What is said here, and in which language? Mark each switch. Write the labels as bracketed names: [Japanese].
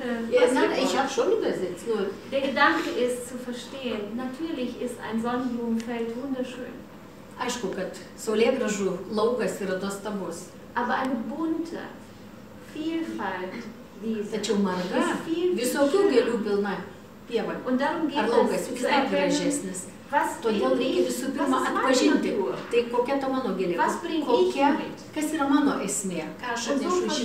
[German] Der Gedanke ist zu verstehen. Natürlich ist ein Sonnenblumenfeld wunderschön. [Lithuanian] Aišku, kad saulėgražų laukas yra dostabus. [German] Aber eine bunte Vielfalt dieser. [Lithuanian] Tačiau marga, visokių gėlių pilna pieva. [German] Und darum geht [Lithuanian] ar laukas vis dar gražesnis. [German] Was [Lithuanian] todėl reikia visų pirma atpažinti, tai kokia ta mano gėlė, kas yra mano esmė, ką aš atnešu iš